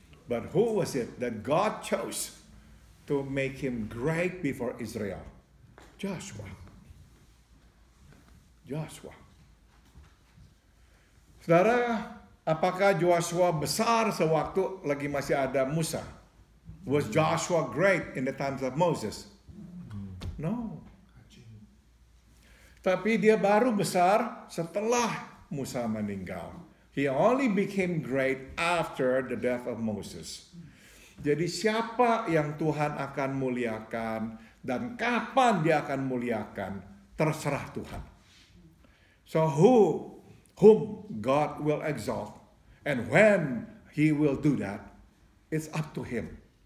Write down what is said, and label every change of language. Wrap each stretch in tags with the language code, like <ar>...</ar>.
<en>But who was it that God chose to make him great before Israel? Joshua. Joshua.</en> <id>Saudara, apakah Joshua besar sewaktu lagi masih ada Musa?</id> <en>Was Joshua great in the times of Moses? No.</en> <id>Tapi dia baru besar setelah Musa meninggal.</id> <en>He only became great after the death of Moses.</en> <id>Jadi siapa yang Tuhan akan muliakan dan kapan Dia akan muliakan, terserah Tuhan.</id> <en>So whom God will exalt and when He will do that, it's up to Him.</en>